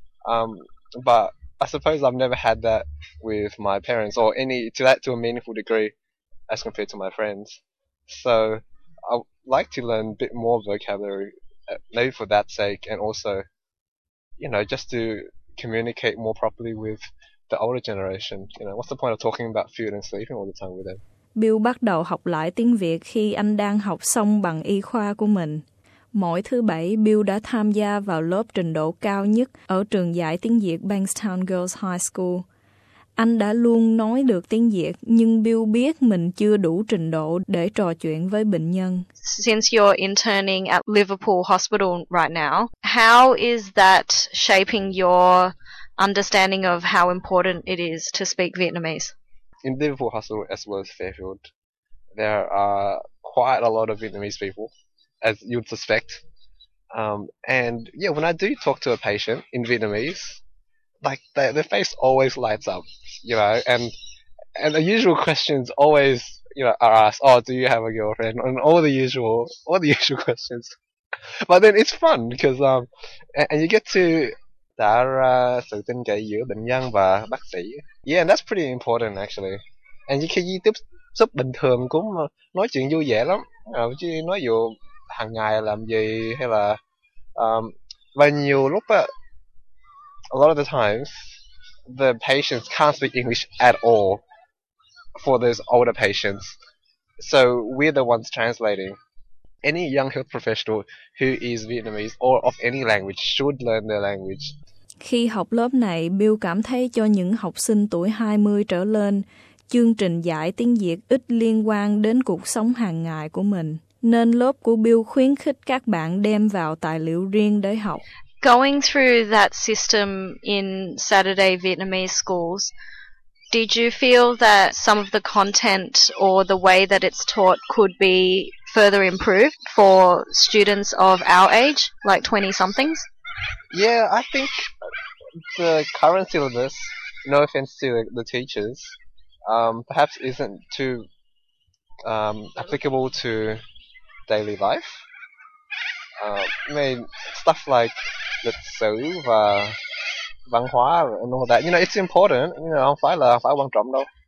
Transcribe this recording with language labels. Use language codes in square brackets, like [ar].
[en] But I suppose I've never had that with my parents, or any to a meaningful degree, as compared to my friends. So I'd like to learn a bit more vocabulary, maybe for that sake, and also, you know, just to communicate more properly with the older generation. You know, what's the point of talking about food and sleeping all the time with them? [vi] Bill bắt đầu học lại tiếng Việt khi anh đang học xong bằng y khoa của mình. Mỗi thứ bảy, Bill đã tham gia vào lớp trình độ cao nhất ở trường dạy tiếng Việt Bankstown Girls High School. Anh đã luôn nói được tiếng Việt, nhưng Bill biết mình chưa đủ trình độ để trò chuyện với bệnh nhân. [en] Since you're interning at Liverpool Hospital right now, how is that shaping your understanding of how important it is to speak Vietnamese? In Liverpool Hospital, as well as Fairfield, there are quite a lot of Vietnamese people, as you'd suspect. When I do talk to a patient in Vietnamese, like their face always lights up, you know, and the usual questions always, you know, are asked, oh, do you have a girlfriend? And all the usual questions. But then it's fun because and you get to [vi] tạo ra sự tin cậy giữa bệnh nhân và bác sĩ. [en] Yeah, and that's pretty important actually. And [vi] khi tiếp xúc bình thường cũng nói chuyện vui vẻ lắm, chứ nói vụ hàng ngày làm gì hay là và nhiều lúc [en] a lot of the times the patients can't speak English at all for those older patients, so we're the ones translating. Any young health professional who is Vietnamese or of any language should learn their language. [vi] Khi học lớp này, Bill cảm thấy cho những học sinh tuổi 20 trở lên, chương trình dạy tiếng Việt ít liên quan đến cuộc sống hàng ngày của mình. Nên lớp của Bill khuyến khích các bạn đem vào tài liệu riêng để học. [en] going through that system in Saturday Vietnamese schools, did you feel that some of the content or the way that it's taught could be further improved for students of our age, like 20-somethings? Yeah, I think the current syllabus, no offense to the teachers, perhaps isn't too applicable to daily life. I mean, stuff like the [vi] sử và văn hóa [en] and all that, you know, it's important, you know, [vi] không phải quan trọng đâu.